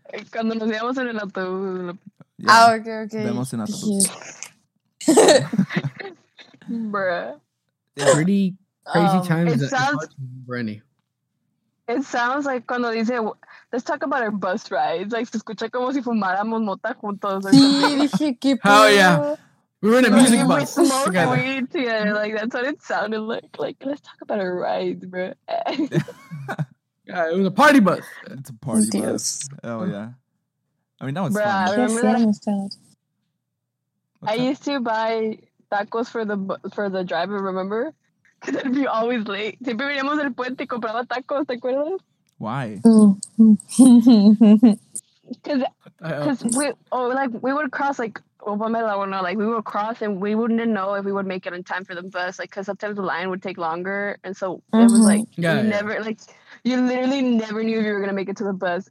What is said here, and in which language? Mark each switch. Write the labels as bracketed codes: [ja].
[es] Cuando nos veamos en el autobús. [en] Ah, okay. [es] Vemos en autobús. [en] Bruh. Pretty crazy times. It sounds like [es] cuando dice, [en] let's talk about our bus rides. [es] Like, se escucha como si fumáramos mota juntos. Sí, dije, qué pedo. [en] Oh, yeah. We were in a music bus. We smoked weed together. Like, that's what it sounded like. Like, let's talk about our rides, bro. Yeah, it was a party bus. It's a party bus. Oh, yeah. I mean, that was bruh, fun. I remember that. Okay. I used to buy tacos for the driver, remember? Because I'd be always late. [es] Siempre veníamos del puente y compraba tacos, ¿te acuerdas? [en] Why? Because we would cross, like, we would cross and we wouldn't know if we would make it in time for the bus, like, because sometimes the line would take longer. And so it was like, you literally never knew if you were going to make it to the bus.